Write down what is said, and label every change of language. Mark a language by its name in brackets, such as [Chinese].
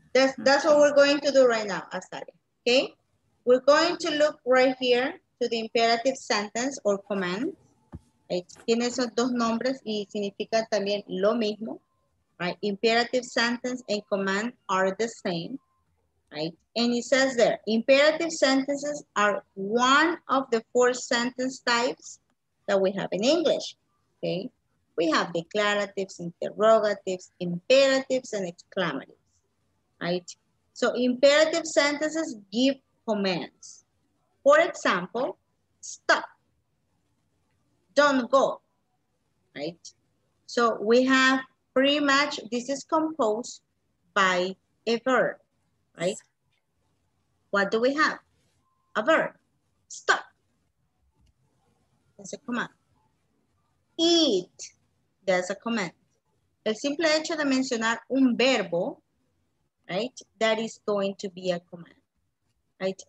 [English] That's what we're going to do right now, Asari. Okay? We're going to look right here to the imperative sentence or command. [Spanish] Tiene esos dos nombres y significa también lo mismo. [English] Right? Imperative sentence and command are the same. Right? And it says there, imperative sentences are one of the four sentence types that we have in English. Okay? We have declaratives, interrogatives, imperatives, and exclamatives. Right? So imperative sentences give commands. For example, stop. Don't go, right? So we have pretty much, this is composed by a verb, right? What do we have? A verb, stop, that's a command. Eat, that's a command. [Spanish] El simple hecho de mencionar un verbo, right? [English] That is going to be a command, right?